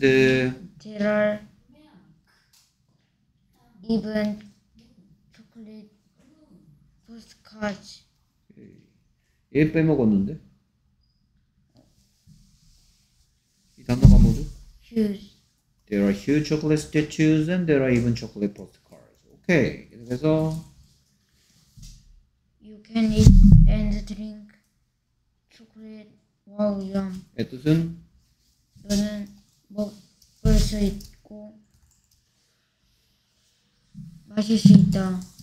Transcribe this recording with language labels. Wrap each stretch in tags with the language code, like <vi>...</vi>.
<en>there are even chocolate postcards.</en> <ko>얘 빼먹었는데 이 단어가 뭐죠?</ko> <en>huge. there are huge chocolate statues and there are even chocolate postcards.</en> <ko>okay. 그래서</ko> <en>you can eat and drink chocolate while young.</en> <ko>예, 뜻은 너는 먹을 수 있고 마실 수 있다.</ko>